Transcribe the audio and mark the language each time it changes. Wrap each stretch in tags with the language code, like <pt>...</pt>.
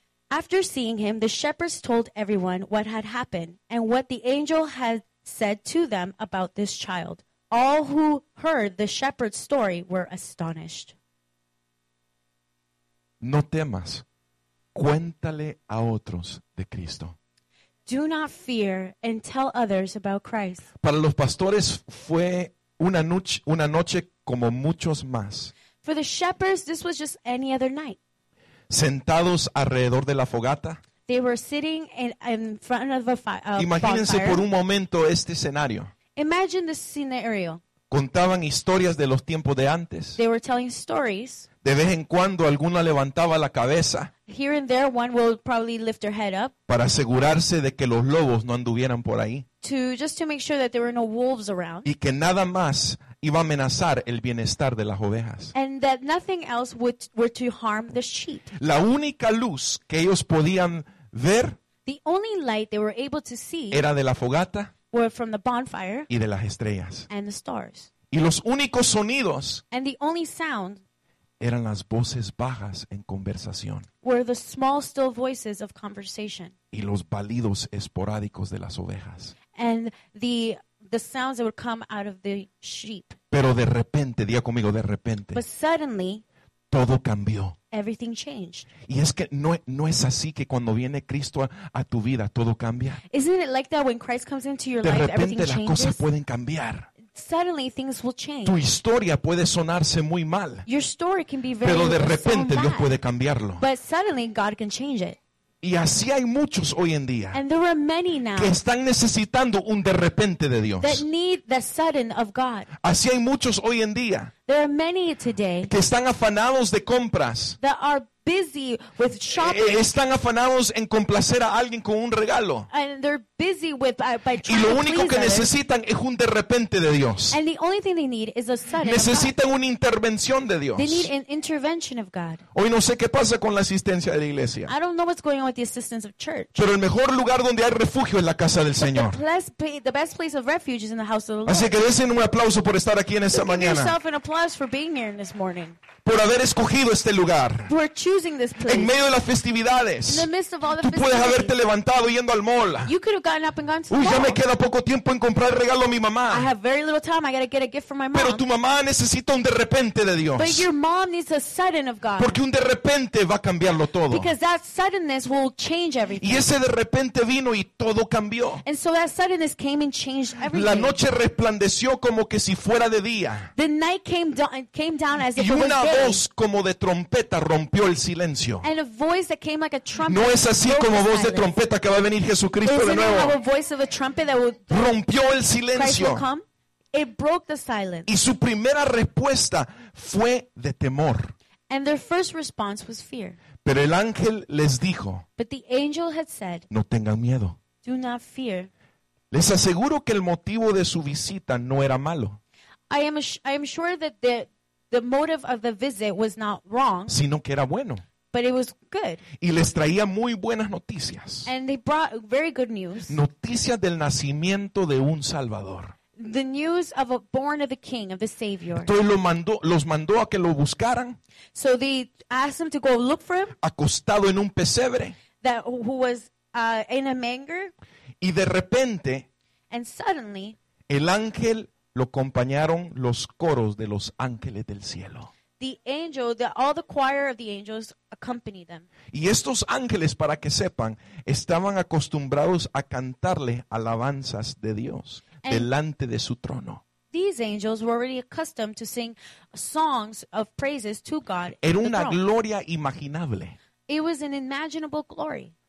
<en>After seeing him, the shepherds told everyone what had happened and what the angel had said to them about this child. All who heard the shepherd's story were astonished.</en> <es>No temas. Cuéntale a otros de Cristo.</es> <en>Do not fear and tell others about Christ.</en> <es>Para los pastores fue una noche como muchos más.</es> <en>For the shepherds, this was just any other night.</en> <es>Sentados alrededor de la fogata.</es> <en>They were sitting in front of a fire.</en> <es>Imagínense por un momento este escenario.</es> <en>Imagine this scenario.</en> <es>Contaban historias de los tiempos de antes.</es> <en>They were telling stories.</en> <es>De vez en cuando alguna levantaba la cabeza.</es> <en>Here and there, one will probably lift their head up.</en> <es>Para asegurarse de que los lobos no anduvieran por ahí.</es> <en>Just to make sure that there were no wolves around.</en> <es>Y que nada más iba a amenazar el bienestar de las ovejas.</es> <en>And that nothing else were to harm the sheep.</en> <es>La única luz que ellos podían ver.</es> <en>The only light they were able to see.</en> <es>Era de la fogata.</es> <en>Were from the bonfire.</en> <es>Y de las estrellas.</es> <en>And the stars.</en> <es>Y los únicos sonidos.</es> <en>And the only sound.</en> <es>Eran las voces bajas en conversación.</es> <en>Were the small, still voices of conversation.</en> <es>Y los balidos esporádicos de las ovejas.</es> <en>And the sounds that would come out of the sheep.</en> <es>Pero de repente, diga conmigo, de repente.</es> <en>But suddenly,</en> <es>todo cambió.</es> <en>Everything changed.</en> <es>Y es que no es así que cuando viene Cristo a tu vida, todo cambia.</es> <en>Isn't it like that when Christ comes into your life, everything changes?</en> <es>De repente las cosas pueden cambiar.</es> <en>suddenly things will change.</en> <es>Tu historia puede sonarse muy mal.</es> <en>Your story can be very,</en> <es>pero de repente Dios puede cambiarlo.</es> <en>But suddenly God can change it.</en> <es>Y así hay muchos hoy en día.</es> <en>And there are many now</en> <es>que están necesitando un de repente de Dios.</es> <en>That need the sudden of God.</en> <es>Así hay muchos hoy en día.</es> <en>There are many today</en> <es>que están afanados de compras.</es> <en>That are busy with shopping.</en> <es>Están afanados en complacer a alguien con un regalo.</es> <en>And they're busy with, by</en> <es>y lo único que necesitan es un de repente de Dios.</es> <en>And the only thing they need is a sudden.</en> <es>Necesitan una intervención de Dios.</es> <en>They need an intervention of God.</en> <es>Hoy no sé qué pasa con la asistencia de la iglesia.</es> <en>I don't know what's going on with the assistance of church.</en> <es>Pero el mejor lugar donde hay refugio es la casa del Señor.</es> <en>The best place of refuge is in the house of the Lord.</en> <es>Así que den un aplauso por estar aquí en esta mañana.</es> <en>Give yourself an applause for being here this morning.</en> <es>Por haber escogido este lugar.</es> <en>For choosing this place.</en> <es>En medio de las festividades.</es> <en>In the midst of all the</en> <es>tú puedes haberte levantado yendo al mall.</es> <en>You could have gotten up and gone to the mall.</en> <es>Uy, ya me queda poco tiempo en comprar el regalo a mi mamá.</es> <en>I have very little time. I gotta get a gift for my mom.</en> <es>Pero tu mamá necesita un de repente de Dios.</es> <en>But your mom needs a sudden of God.</en> <es>Porque un de repente va a cambiarlo todo.</es> <en>Because that suddenness will change everything.</en> <es>Y ese de repente vino y todo cambió.</es> <en>And so that suddenness came and changed everything.</en> <es>La noche resplandeció como que si fuera de día.</es> <en>The night came down as if it was</en> <es>una voz como de trompeta rompió el silencio.</es> <en>And a voice that came like a trumpet.</en> <es>No es así como voz de trompeta que va a venir Jesucristo de nuevo.</es> <en>Isn't it a voice of a trumpet that will</en> <es>rompió el silencio.</es> <en>It broke the silence.</en> <es>Y su primera respuesta fue de temor.</es> <en>And their first response was fear.</en> <es>Pero el ángel les dijo,</es> <en>but the angel had said,</en> <es>no tengan miedo.</es> <en>Do not fear.</en> <es>Les aseguro que el motivo de su visita no era malo.</es> <en>I am sure that the motive of the visit was not wrong,</en> <es>sino que era bueno.</es> <en>But it was good.</en> <es>Y les traía muy buenas noticias.</es> <en>And they brought very good news.</en> <es>Noticias del nacimiento de un Salvador.</es> <en>The news of a born of the King, of the Savior.</en> <es>Entonces los mandó a que lo buscaran.</es> <en>So they asked them to go look for him.</en> <es>Acostado en un pesebre.</es> <en>That who was in a manger.</en> <es>Y de repente.</es> <en>And suddenly.</en> <es>El ángel. Lo acompañaron los coros de los ángeles del cielo.</es> <en>The angel, all the choir of the angels accompanied them.</en> <es>Y estos ángeles, para que sepan, estaban acostumbrados a cantarle alabanzas de Dios delante de su trono.</es> <en>These angels were already accustomed to sing songs of praises to God.</en> <es>Era una gloria imaginable.</es> <en>It was an imaginable glory.</en>